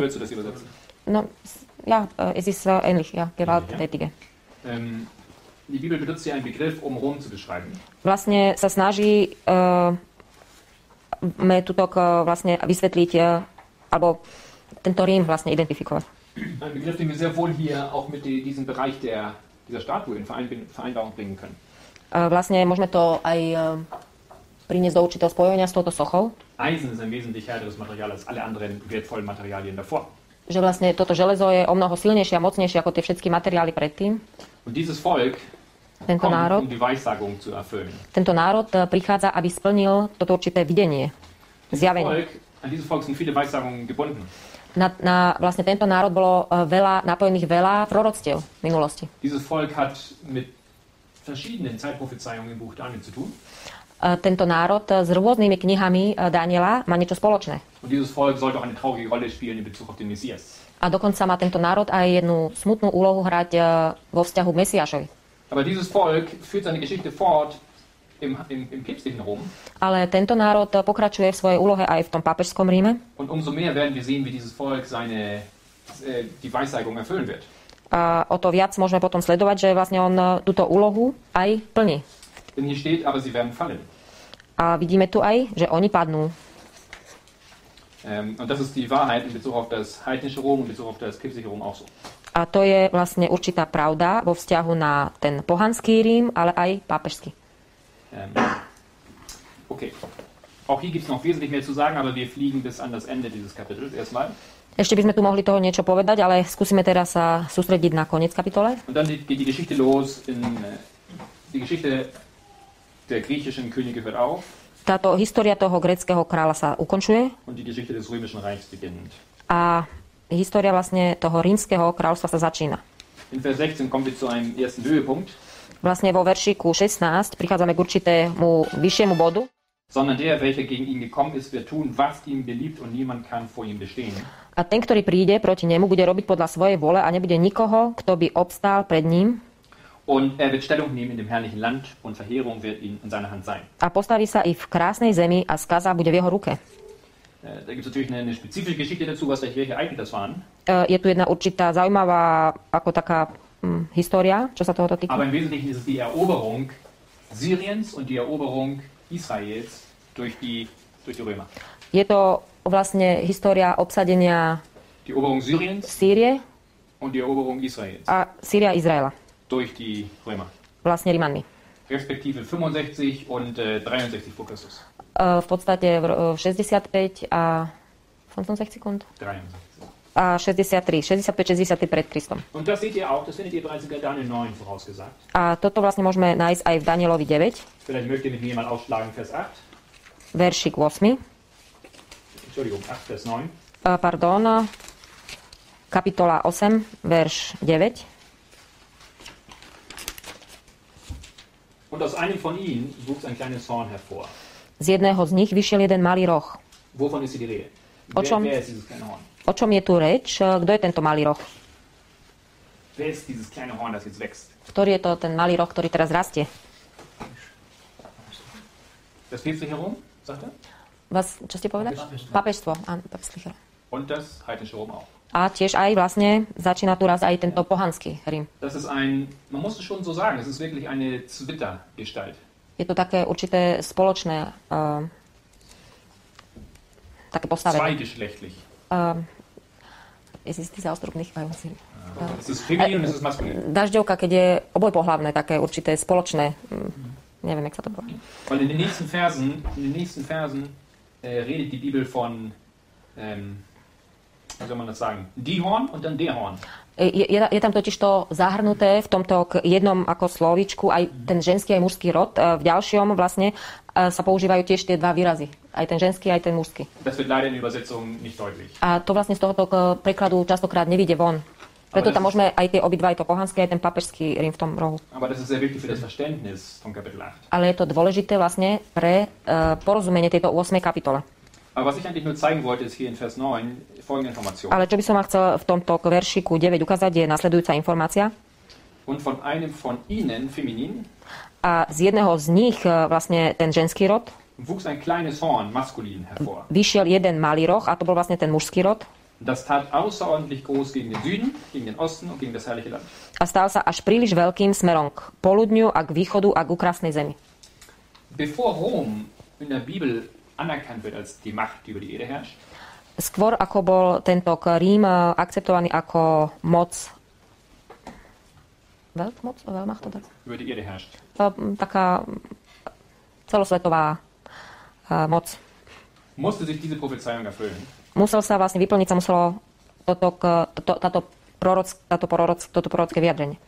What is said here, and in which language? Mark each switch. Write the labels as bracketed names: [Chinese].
[German] Willst du das übersetzen? No, ja, es ist ähnlich, ja, gewalttätige. Die Bibel benutzt hier einen Begriff, um Rom zu beschreiben. [Slovak] Vlastne sa snaží me tutok vlastne vysvetliť, alebo tento Rím vlastne identifikovať. [German] Ein Begriff, den wir sehr wohl hier auch mit diesem Bereich dieser Statue in Vereinbarung bringen können. [Slovak] Vlastne môžeme to aj priniesť do určitého spojenia s touto sochou. [German] Eisen ist ein wesentlich härteres Material als alle anderen wertvollen Materialien davor. [Slovak] Že vlastne toto železo je o mnoho silnejšie a mocnejšie ako tie všetky materiály predtým. [German] Und dieses Volk [Slovak] tento národ, [German] kommt, um die Weissagung zu erfüllen. [Slovak] Tento národ prichádza, aby splnil toto určité videnie, zjavenie. [German] An dieses Volk sind viele Weissagungen gebunden. [Slovak] Na vlastne tento národ bolo veľa napojených veľa proroctiev v minulosti. [German] Dieses Volk hat mit verschiedenen Zeitprophezeiungen im Buch Daniel zu tun. [Slovak] Tento národ s rôznymi knihami Daniela má niečo spoločné. [German] Und dieses Volk sollte auch eine traurige Rolle spielen in Bezug auf den Messias. [Slovak] A dokonca má tento národ aj jednu smutnú úlohu hrať vo vzťahu k Mesiášovi. [German] Aber dieses Volk führt seine Geschichte fort im päpstlichen Rom. [Slovak] Ale tento národ pokračuje v svojej úlohe aj v tom pápežskom Ríme. [German] Und umso mehr werden wir sehen, wie dieses Volk seine die Weissagung erfüllen wird. [Slovak] A o to viac môžeme potom sledovať, že vlastne on túto úlohu aj plní. [German] Denn hier steht, aber sie werden fallen. [Slovak] A vidíme tu aj, že oni padnú. [German] Und das ist die Wahrheit in Bezug auf das heidnische Rom und in Bezug auf das kirchliche Rom auch so. [Slovak] A to je vlastne určitá pravda vo vzťahu na ten pohanský Rím, ale aj pápežský. Okay. [German] Auch hier gibt's noch wesentlich mehr zu sagen, aber wir fliegen bis an das Ende dieses Kapitels erstmal. [Slovak] Ešte by sme tu mohli toho niečo povedať, ale skúsime teraz sa sústrediť na koniec kapitole. [German] Und dann geht die Geschichte los in die Geschichte der griechischen Könige hört auf. [Slovak] Táto história toho gréckeho kráľa sa ukončuje. [German] Und die Geschichte des römischen Reichs beginnt. [Slovak] A história vlastne toho rímskeho kráľstva sa začína. [German] In Vers 16 kommen wir zu einem ersten Höhepunkt. [Slovak] Vlastne vo veršiku 16 prichádzame k určitému vyššiemu bodu. [German] Sondern der, welcher gegen ihn gekommen ist, wird tun, was ihm beliebt und niemand kann vor ihm bestehen. [Slovak] A ten, ktorý príde proti nemu, bude robiť podľa svojej vole a nebude nikoho, kto by obstál pred ním. [German] Und er wird Stellung nehmen in dem herrlichen Land und Verheerung wird ihm in seiner Hand sein. [Slovak] A postaví sa i v krásnej zemi a skaza bude v jeho ruke. [German] Da gibt's natürlich eine spezifische Geschichte dazu, was da hier eigentlich das waren. [Slovak] Je tu jedna určitá zaujímavá ako taká história, čo sa tohoto týka. [German] Aber im Wesentlichen ist es die Eroberung Syriens und die Eroberung Israels durch die Römer. [Slovak] Je to vlastne história obsadenia [German] die Eroberung Syriens [Slovak] Sýrie [German] und die Eroberung Israels. [Slovak] A Sýria Izraela. [German] Durch die Römer. [Slovak] Vlastne Rímanmi. Respektíve [German] 65 und 63 vor Christus. [Slovak] V podstate v 65 a 65 sekund. 63. A 63, 65, 63 pred Kristom. [German] Und das seht ihr auch, das findet ihr bereits in Daniel 9 vorausgesagt. [Slovak] A toto vlastne môžeme nájsť aj v Danielovi 9. [German] Vielleicht möchte mit mir mal aufschlagen Vers 8. [Slovak] Veršik 8. [German] Entschuldigung, 8, Vers 9. [Slovak] Pardon, kapitola 8, verš 9. [German] Und aus einem von ihnen wuchs ein kleines Horn hervor. [Slovak] Z jedného z nich vyšiel jeden malý roh. [German] Wovon ist die Rede? Wer ist dieses kleine Horn? [Slovak] O čom je tu reč? Kto je tento malý roh? [German] Wer ist dieses kleine Horn, das jetzt wächst? [Slovak] Ktorý je to ten malý roh, ktorý teraz rastie? [German] Das Päpstlicherum, sagt er? [Slovak] Was, čo ste povedali? Papežstvo. Papežstvo. [German] Und das heidnische Rom auch. [Slovak] A tiež aj vlastne začína tu raz aj tento pohanský Rím. [German] Das ist ein, man muss es schon so sagen, es ist wirklich eine Zwittergestalt. [Slovak] Je to také určité spoločné také postavenie. [German] Zweigeschlechtlich. Es ist dieser Ausdruck nicht bei uns. Es ist feminin und es ist maskulin. [Slovak] Dažďovka, keď je obojpohlavné, také určité spoločné, neviem, jak sa to bolo. [German] Weil in den nächsten Versen, redet die Bibel von wie soll man das sagen? Die Horn und dann der Horn. [Slovak] Je tam totiž to zahrnuté v tomto k jednom ako slovíčku aj ten ženský aj mužský rod. V ďalšom vlastne sa používajú tiež tie dva výrazy. Aj ten ženský, aj ten mužský. [German] Das wird leider in Übersetzung nicht deutlich. [Slovak] A to vlastne z tohoto prekladu častokrát nevyjde von. Preto tam môžeme aj tie obidva, aj to pohanské, aj ten papežský Rím v tom rohu. [German] Aber das ist sehr wichtig für das Verständnis vom Kapitel 8. [Slovak] Ale je to dôležité vlastne pre porozumenie tejto 8. kapitole. [German] Aber was ich eigentlich nur zeigen wollte, ist hier in Vers 9 folgende Information. [Slovak] Ale čo by som chcel v tomto veršiku 9 ukázať, je nasledujúca informácia. [German] Und von einem von ihnen, feminin, [Slovak] a z jedného z nich, vlastne ten ženský rod, [German] wuchs ein kleines Horn, maskulin, hervor. [Slovak] Vyšiel jeden malý roh, a to bol vlastne ten mužský rod. [German] Das tat außerordentlich groß gegen den Süden, gegen den Osten und gegen das herrliche Land. [Slovak] A stal sa až príliš veľkým smerom k poludňu a k východu a k úkrasnej zemi. [German] Bevor Rom in der Bibel anerkannt wird als die Macht, die über die Erde herrscht. [Slovak] Skôr ako bol tento Rím akceptovaný ako moc. [German] Weltmoc, Weltmacht oder? Über die Erde herrscht. [Slovak] Taká celosvetová moc. [German] Musste sich diese Prophezeiung erfüllen. [Slovak] Musel sa vlastne vyplniť, sa muselo toto, toto prorocké vyjadrenie.